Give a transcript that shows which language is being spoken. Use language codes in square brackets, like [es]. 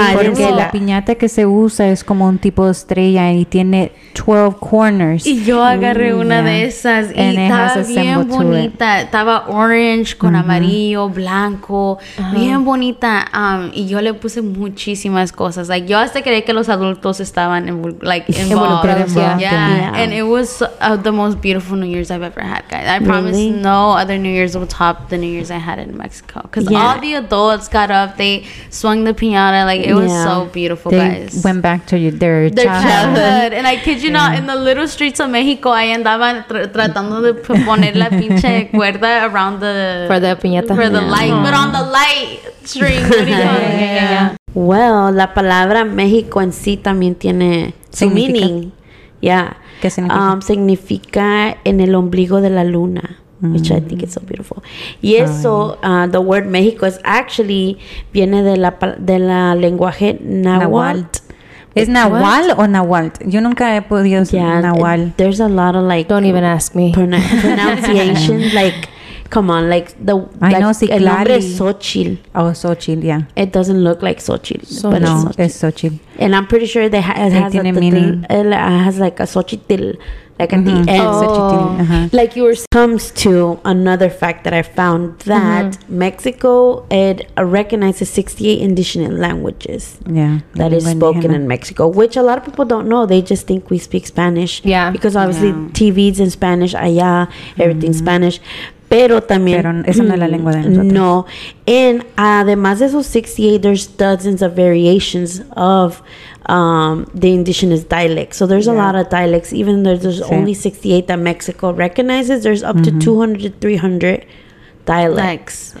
[es] porque la piñata que se usa es como un tipo de estrella y tiene 12 [en] corners. [es] Y yo agarré una de esas y estaba bien bonita. Estaba [en] orange [es] con amarillo, blanco, bien bonita. Y yo le puse muchísimas cosas. Like, yo hasta creí que los adultos estaban involucrados. [en] And it was the most beautiful New Year's I've ever had, guys. I promise no other New Year's will top the New Year's I had in Mexico. Because all the adults got up, they swung the piñata, like it was so beautiful. They guys went back to their childhood. And I kid you not, in the little streets of Mexico, I [es] andaban tratando de poner la pinche cuerda [en] around the for the piñata for the light, but on the light string. [es] Well, la palabra México en sí también tiene su [en] meaning. Yeah. [es] ¿Qué significa? Significa en el ombligo de la luna. Mm. [en] Which I think is so beautiful. [es] Y eso, [en] the word México is actually [es] viene de la lenguaje Nahual. ¿Es Nahual o Nahual? Yo nunca he podido decir Nahual. [en] There's a lot of like. Don't even ask me. Pronunciation. Like, come on. Like, the. I know, [es] sí, el nombre es Xochitl. [en] Oh, Xochitl, yeah. It doesn't look like Xochitl. [es] No, es Xochitl. [en] And I'm pretty sure it has like a Xochitl. Like at the end. Like you were saying. Comes to another fact that I found that Mexico, it recognizes 68 indigenous languages. Yeah. That is spoken in Mexico, which a lot of people don't know. They just think we speak Spanish. Yeah. Because obviously TV's in Spanish, [es] allá, [en] everything's Spanish. [es] Pero también. Pero eso no es la lengua de nosotros. [en] No. And [es] además de esos [en] 68, there's dozens of variations of the indigenous dialect. So there's a lot of dialects. Even though there's only 68 that Mexico recognizes, there's up to 200 to 300 dialects.